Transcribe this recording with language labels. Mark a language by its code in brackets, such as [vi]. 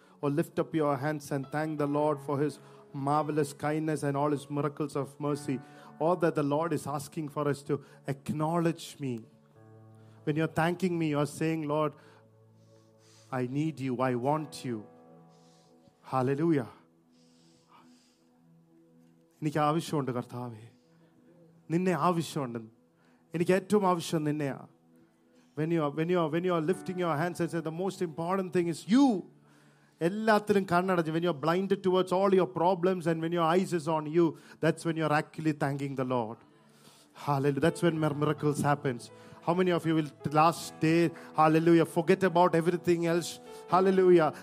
[en] Or lift up your hands and thank the Lord for His marvelous kindness and all His miracles of mercy. All that the Lord is asking for us to acknowledge Me. When you're thanking Me, you're saying, Lord, I need You, I want You. Hallelujah. [ml] എനിക്ക് ആവശ്യമുണ്ട് കർത്താവേ, നിന്നെ ആവശ്യമുണ്ട്. എനിക്ക് ഏറ്റവും ആവശ്യം നിന്നെയാണ്. [en] When you are lifting your hands and say, the most important thing is you. [ml] എല്ലാത്തിലും കണ്ണടഞ്ഞ്, [en] when you are blinded towards all your problems and when your eyes is on you, that's when you are actually thanking the Lord. Hallelujah. That's when miracles happens. How many of you will last day, hallelujah, forget about everything else? Hallelujah.